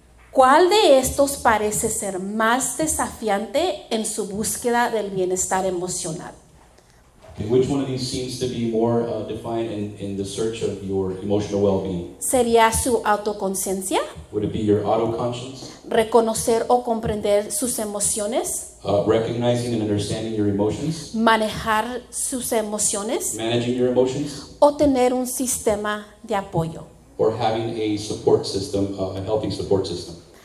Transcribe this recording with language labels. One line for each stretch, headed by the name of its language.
Spanish: ¿Cuál de estos parece ser más desafiante en su búsqueda del bienestar emocional?
English: Okay, which one of these seems to be more defined in the search of your emotional well-being?
Spanish: ¿Sería su autoconciencia?
English: Would it be your autoconscience?
Spanish: ¿Reconocer o comprender sus emociones?
English: Recognizing and understanding your emotions?
Spanish: ¿Manejar sus emociones?
English: Managing your emotions?
Spanish: ¿O tener un sistema de apoyo?
English: Or having a support system, a healthy support system.